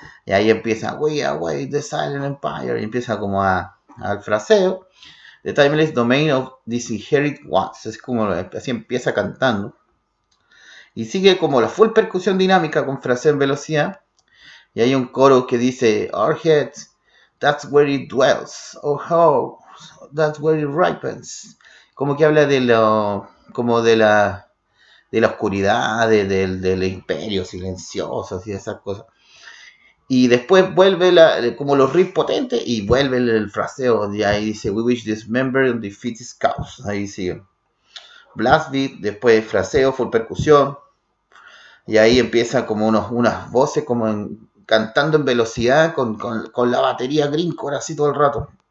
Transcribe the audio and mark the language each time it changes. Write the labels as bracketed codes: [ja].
[es] Y ahí empieza We Await the Silent Empire y empieza como al fraseo. [en] The Timeless Domain of Disinherited Ones, [es] es como así empieza cantando. Y sigue como la full percusión dinámica con fraseo en velocidad. Y hay un coro que dice: [en] Our heads, that's where it dwells. Our hearts, that's where it ripens. [es] Como que habla de lo, como de la oscuridad, del imperio silencioso, y esas cosas. Y después vuelve como los riffs potentes y vuelve el fraseo. Y ahí dice: [en] We wish this member and defeat his cause. [es] Ahí sigue. Blast beat, después fraseo, full percusión. Y ahí empiezan como unas voces, como en. Cantando en velocidad con la batería grindcore así todo el rato.